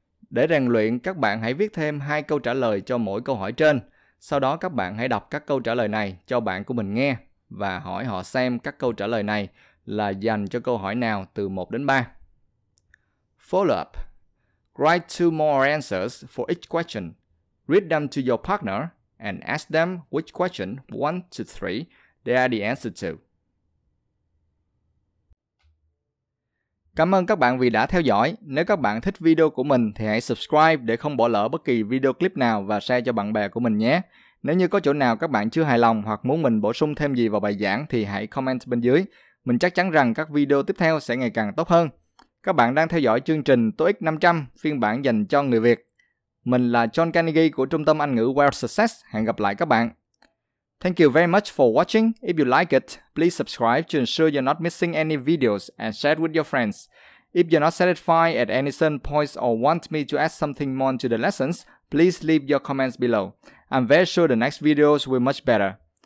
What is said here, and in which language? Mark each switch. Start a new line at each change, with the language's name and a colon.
Vietnamese: Để rèn luyện, các bạn hãy viết thêm hai câu trả lời cho mỗi câu hỏi trên. Sau đó các bạn hãy đọc các câu trả lời này cho bạn của mình nghe và hỏi họ xem các câu trả lời này là dành cho câu hỏi nào từ 1 đến 3.
English: Follow up. Write two more answers for each question. Read them to your partner and ask them which question 1 to 3 they are the answer to.
Vietnamese: Cảm ơn các bạn vì đã theo dõi. Nếu các bạn thích video của mình thì hãy subscribe để không bỏ lỡ bất kỳ video clip nào và share cho bạn bè của mình nhé. Nếu như có chỗ nào các bạn chưa hài lòng hoặc muốn mình bổ sung thêm gì vào bài giảng thì hãy comment bên dưới. Mình chắc chắn rằng các video tiếp theo sẽ ngày càng tốt hơn. Các bạn đang theo dõi chương trình TOEIC 500 phiên bản dành cho người Việt. Mình là John Carnegie của Trung tâm Anh ngữ Well Success. Hẹn gặp lại các bạn.
English: Thank you very much for watching. If you like it, please subscribe to ensure you're not missing any videos and share it with your friends. If you're not satisfied at any certain points or want me to add something more to the lessons, please leave your comments below. I'm very sure the next videos will be much better.